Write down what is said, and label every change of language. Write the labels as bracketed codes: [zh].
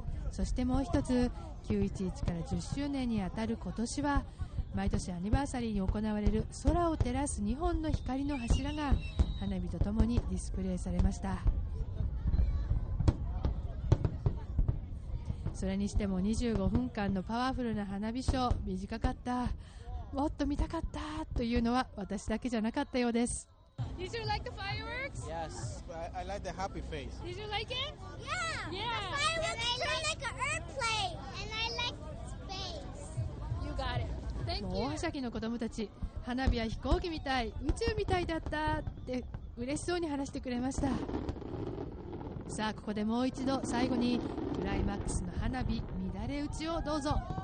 [ja] そしてもう一つ、911から10周年にあたる今年は毎年アニバーサリーに行われる空を照らす2本の光の柱が花火とともにディスプレイされました。それにしても25分間のパワフルな花火ショー、短かった、もっと見たかったというのは私だけじゃなかったようです。 [en] Did you like the fireworks? Yes, I like the happy face. Did you like it? Yeah, yeah. The fireworks are like an airplane. And I like space. You got it. [ja] 大はしゃぎの子供たち、花火は飛行機みたい、宇宙みたいだったって嬉しそうに話してくれました。さあここでもう一度最後にクライマックスの花火乱れ打ちをどうぞ。